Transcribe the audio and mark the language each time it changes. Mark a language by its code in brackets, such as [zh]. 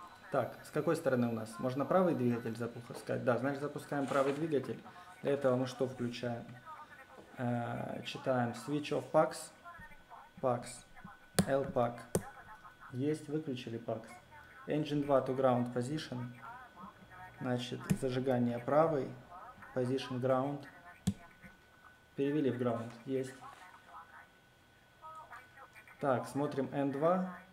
[ru] Так, с какой стороны у нас? Можно правый двигатель запускать? Да, значит запускаем правый двигатель. Для этого мы что включаем? Читаем [en] switch off PAX. PAX. L-PAX. [ru] Есть, выключили PAX. [en] Engine 2 to ground position. [ru] Значит, зажигание правый. [en] Position ground. [ru] Перевели в ground. Есть. Так, смотрим N2.